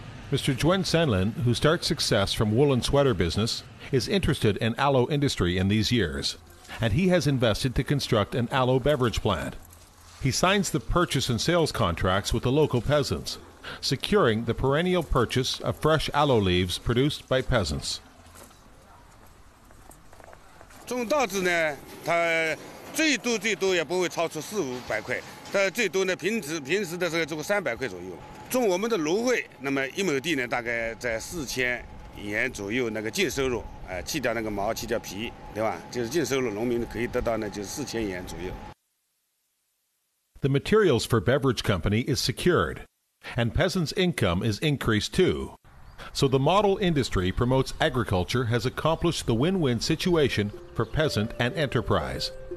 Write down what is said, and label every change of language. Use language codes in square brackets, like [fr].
[en] Mr. Juan Sanlin, who starts success from woolen sweater business,is interested in aloe industry in these years, and he has invested to construct an aloe beverage plant. He signs the purchase and sales contracts with the local peasants, securing the perennial purchase of fresh aloe leaves produced by peasants. [zh] 种稻子呢，它最多也不会超出400-500块，它最多呢平时的时候种300块左右。种我们的芦荟，那么一亩地呢大概在4000元左右那个净收入。去掉那个毛，去掉皮，对吧？就是净收入，农民可以得到呢，就是4000元左右。 [en] The materials for beverage company is secured, and peasants' income is increased too. So the model industry promotes agriculture has accomplished the win-win situation for peasant and enterprise.